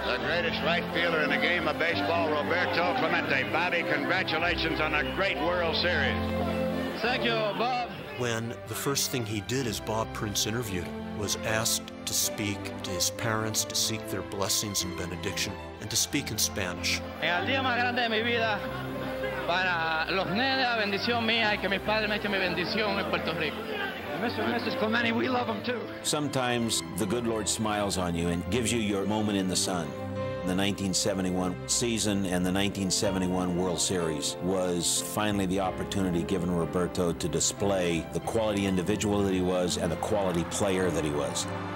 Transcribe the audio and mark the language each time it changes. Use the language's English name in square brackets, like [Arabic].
[English] The greatest right fielder in the game of baseball, Roberto Clemente. Bobby, congratulations on a great World Series. Thank you, Bob. When the first thing he did as Bob Prince interviewed him was asked to speak to his parents to seek their blessings and benediction and to speak in Spanish. [Spanish] En el día más grande de mi vida, para los nenes, la bendición mía y que mis padres me echen mi bendición en Puerto Rico. [English] Mr. and Mrs. Clemente, we love them too. Sometimes the good Lord smiles on you and gives you your moment in the sun. The 1971 season and the 1971 World Series was finally the opportunity given Roberto to display the quality individual that he was and the quality player that he was.